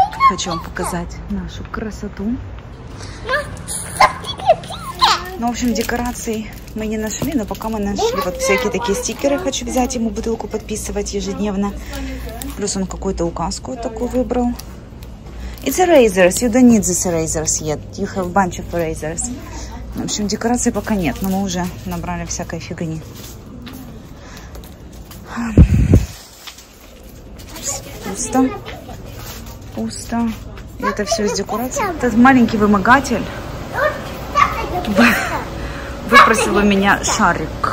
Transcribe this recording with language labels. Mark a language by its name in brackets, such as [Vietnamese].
[Russian] Хочу вам показать нашу красоту. Ну, в общем, декораций мы не нашли, но пока мы нашли вот всякие такие стикеры. Хочу взять ему бутылку подписывать ежедневно. Плюс он какую-то указку такую выбрал. [English] It's erasers. You don't need these erasers yet. You have a bunch of erasers. [Russian] В общем, декорации пока нет, но мы уже набрали всякой фигни. Пусто. Пусто. И это все из декораций. Этот маленький вымогатель выпросил у меня шарик.